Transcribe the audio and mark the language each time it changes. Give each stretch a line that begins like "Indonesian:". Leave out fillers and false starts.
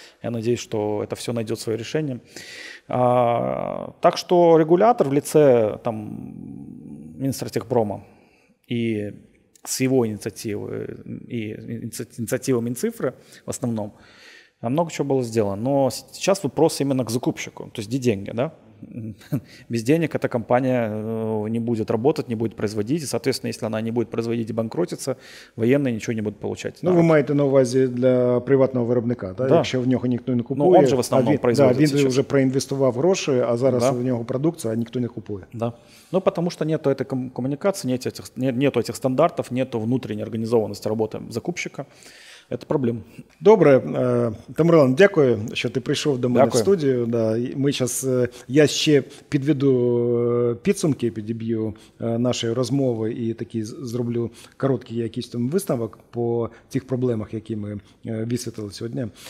Russian: Я надеюсь, что это все найдет свое решение. Так что регулятор в лице там министра Техпрома и с его инициативой, и инициативой Минцифры в основном, много чего было сделано. Но сейчас вопрос именно к закупщику, то есть где деньги, да? Без денег эта компания не будет работать, не будет производить. И, соответственно, если она не будет производить и банкротится, военные ничего не будут получать.
Ukrainian: Ну, да. Вы маєте на увазі для приватного виробника, да? Да. Якщо в нього ніхто не купує.
Russian: Ну, он же в основном производит.
Ukrainian: Да, він сейчас вже проінвестував гроші, а зараз да. в нього продукція, а ніхто не купує.
Russian: Да. Ну, потому что нету этой коммуникации, нету этих стандартов, нету внутренней организованности работы закупщика.
Ukrainian: Це проблема. Добре, Тамерлан, дякую, що ти прийшов до мене дякую. В студію. Да, ми зараз, я ще підведу підсумки, підіб'ю нашої розмови і такі зроблю короткий якийсь там висновок по тих проблемах, які ми висвітили сьогодні.